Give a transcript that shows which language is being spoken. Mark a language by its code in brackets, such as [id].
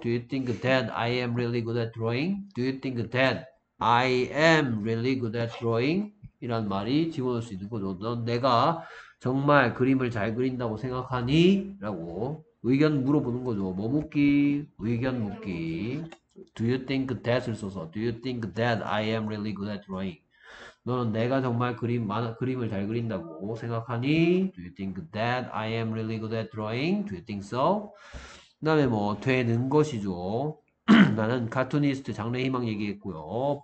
[en] Do you think that I am really good at drawing? Do you think that I am really good at drawing? [ko] 이란 말이 집어넣을 수 있는 거죠. 넌 내가 정말 그림을 잘 그린다고 생각하니? 라고 의견 물어보는 거죠. 뭐 묻기? 의견 묻기. [en] Do you think that을 써서 Do you think that I am really good at drawing? [ko] 너는 내가 정말 그림을 잘 그린다고 생각하니? [en] Do you think that I am really good at drawing? Do you think so? [ko] 그 다음에 뭐 되는 것이죠. 나는 카투니스트 장래 희망 얘기했고요.